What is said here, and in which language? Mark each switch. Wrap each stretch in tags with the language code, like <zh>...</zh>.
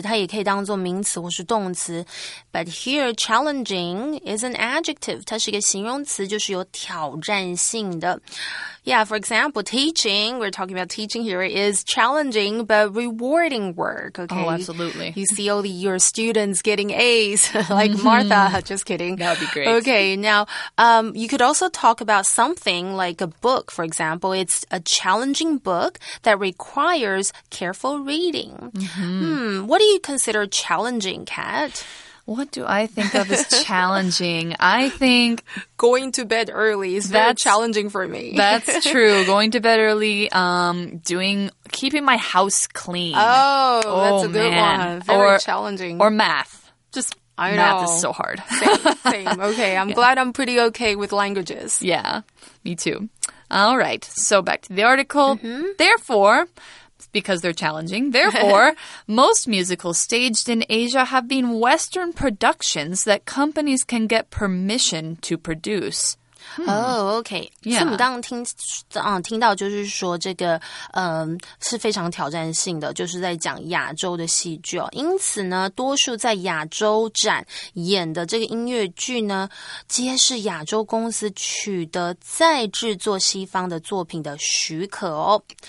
<zh>它也可以当作名词或是动词。</zh> <en>But here, challenging is an adjective.</en> <zh>它是一个形容词，就是有挑战性的。</zh> <en>Yeah, for example, teaching, we're talking about teaching here, is challenging but rewarding work, okay? Oh, absolutely. You see all your students getting A's, like、mm-hmm. Martha, just kidding. That would be great. Okay, now, you could also talk about something like a book, for example. It's a challenging book that requires careful reading. Mm-hmm. What do you consider challenging, Kat? What do I think of as challenging? I think... Going to bed early is very challenging for me. That's true. Going to bed early, keeping my house clean. Oh, that's a good one. Very challenging. Or math. Just I math know. Is so hard. Same. Okay, I'm glad I'm pretty okay with languages. Yeah, me too. All right, so back to the article. Mm-hmm. Therefore... Because they're challenging. Therefore, most musicals staged in Asia have been Western productions that companies can get permission to produce. Okay. Yeah.</en> <zh>所以我们刚刚听到就是说这个是非常挑战性的，就是在讲亚洲的戏剧哦。因此呢，多数在亚洲展演的这个音乐剧呢，皆是亚洲公司取得再制作西方的作品的许可哦。</zh>